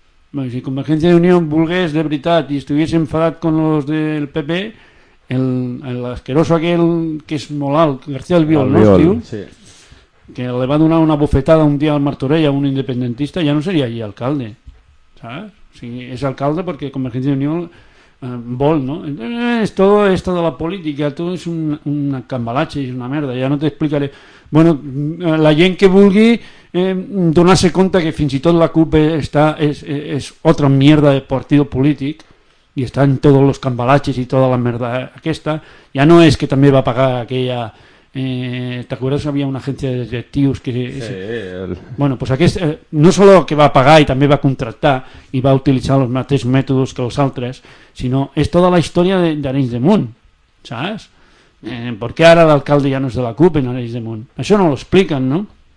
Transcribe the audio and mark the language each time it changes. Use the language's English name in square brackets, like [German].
[Catalan] Si Convergència i Unió volgués de veritat i estigués enfadat [Spanish] con los del PP, [Catalan] l'asqueroso aquell que és molt alt, García Albiol, no, sí, que li va donar una bofetada un dia al Martorell a un independentista, ja no seria allí alcalde, saps? O sigui, és alcalde perquè Convergència i Unió vol, ¿no? [Spanish] Es todo esto de la política, todo es una cambalache y una merda, ya no te explicaré. [Catalan] Bueno, la gent que vulgui donar-se compte que fins i tot la CUP està, és [Spanish] otra mierda de partido [Catalan] polític i està en tots els cambalaches i tota la merda aquesta, ja no és que també va pagar aquella... [Spanish] ¿te acuerdas que había una agencia de directivos que sí, [Catalan] bueno, pues aquest, [Spanish] no solo que va pagar y también va contratar y va utilizar los mateixos métodos que los altres, sino es toda la historia de Arenys de Munt, ¿sabes? ¿Por qué ahora el alcalde ya no es de la CUP en Arenys de Munt? Eso no lo explican, ¿no?